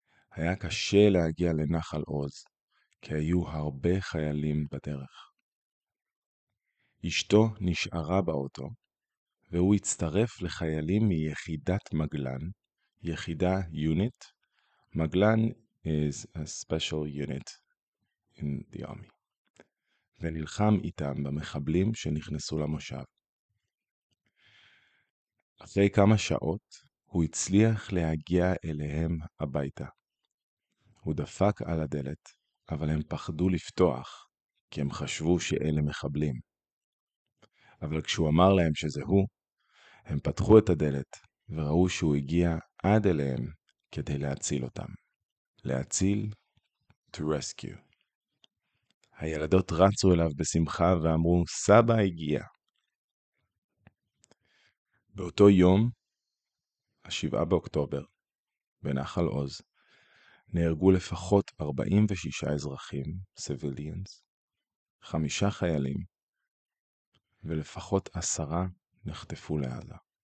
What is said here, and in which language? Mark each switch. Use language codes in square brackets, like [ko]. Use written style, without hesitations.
[he] היה קשה להגיע לנחל עוז, כי היו הרבה חיילים בדרך. אשתו נשארה באוטו, והוא הצטרף לחיילים מיחידת מגלן, יחידה יוניט. [en] מגלן is a special unit in the army. [he] ונלחם איתם במחבלים שנכנסו למושב. אחרי כמה שעות, הוא הצליח להגיע אליהם הביתה. הוא דפק על הדלת, אבל הם פחדו לפתוח, כי הם חשבו שאלה מחבלים. אבל כשהוא אמר להם שזה הוא, הם פתחו את הדלת וראו שהוא הגיע עד אליהם כדי להציל אותם. [en] להציל, to rescue. [he] הילדות רצו אליו בשמחה ואמרו, סבא הגיע. באותו יום, השבעה באוקטובר, בנחל עוז, נהרגו לפחות 46 אזרחים, civilians, 5 חיילים, ולפחות 10 נחטפו לעזה.